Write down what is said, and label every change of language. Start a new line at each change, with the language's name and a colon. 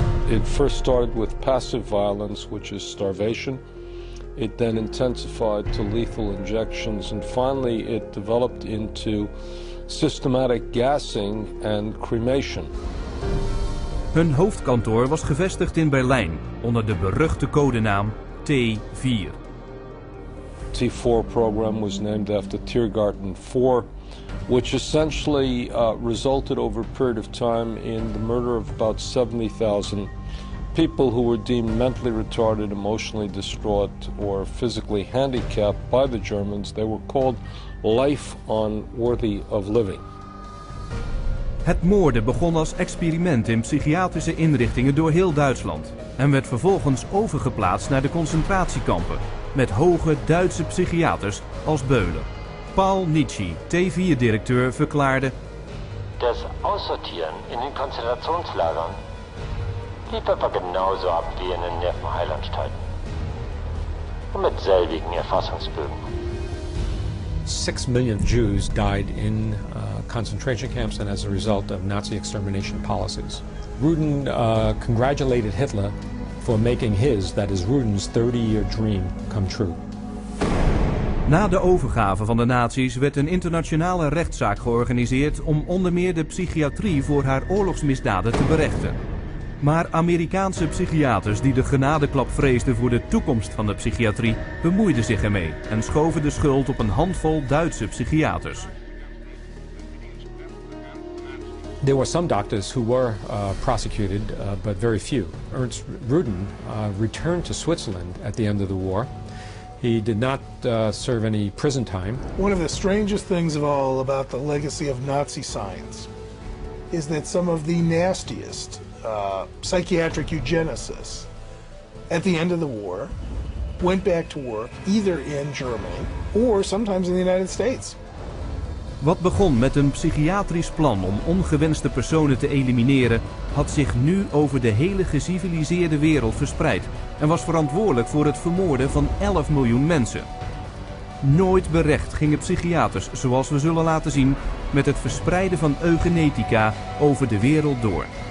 English: It first started with passive violence, which is starvation. It then intensified to lethal injections, and finally it developed into systematic gassing and cremation.
Dutch: Hun hoofdkantoor was gevestigd in Berlijn onder de beruchte codenaam T4.
English: T4 program was named after Tiergarten 4, which essentially resulted over a period of time in the murder of about 70,000 people who were deemed mentally retarded, emotionally distraught, or physically handicapped by the Germans. They were called life unworthy of living.
Dutch: Het moorden begon als experiment in psychiatrische inrichtingen door heel Duitsland en werd vervolgens overgeplaatst naar de concentratiekampen met hoge Duitse psychiaters als beulen. Paul Nitschi, T4-directeur, verklaarde:
German: das Aussortieren in den Konzentrationslagern lief aber genauso ab wie in den Nervenheilanstalten. Und mit selbigen Erfassungsbögen.
English: 6 million Jews died in concentration camps and as a result of Nazi extermination policies. Rudin congratulated Hitler for making his, that is Rudin's, 30-year dream come true.
Dutch: Na de overgave van de nazi's werd een internationale rechtszaak georganiseerd om onder meer de psychiatrie voor haar oorlogsmisdaden te berechten. Maar Amerikaanse psychiaters die de genadeklap vreesden voor de toekomst van de psychiatrie bemoeiden zich ermee en schoven de schuld op een handvol Duitse psychiaters.
English: There were some doctors who were prosecuted, but very few. Ernst Rudin returned to Switzerland at the end of the war. He did not serve any prison time. One of the strangest things of all about the legacy of Nazi science is that some of the nastiest psychiatric eugenicists at the end of the war went back to work either in Germany or sometimes in the United States.
Dutch: Wat begon met een psychiatrisch plan om ongewenste personen te elimineren, had zich nu over de hele geciviliseerde wereld verspreid en was verantwoordelijk voor het vermoorden van 11 miljoen mensen. Nooit berecht gingen psychiaters, zoals we zullen laten zien, met het verspreiden van eugenetica over de wereld door.